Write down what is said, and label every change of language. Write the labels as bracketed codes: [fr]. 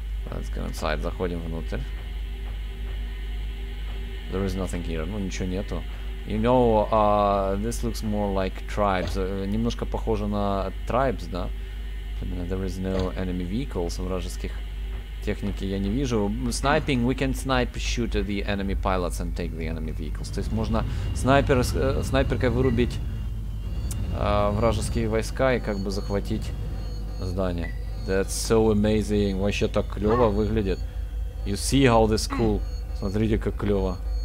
[en] Let's go inside, [ru] заходим внутрь. [en] There is nothing here. [ru] Ну, ничего нету. [en] You know, this looks more like tribes. [ru] Немножко похоже на tribes, да? [en] There is no enemy vehicles. [ru] Вражеских техники я не вижу. [en] Sniping, we can snipe, shoot the enemy pilots and take the enemy vehicles. [ru] То есть можно снайперкой вырубить вражеские войска и как бы захватить здание. [en] That's so amazing. [ru] Вообще так клёво выглядит. [en] You see how this cool. [ru] Смотрите, как клёво.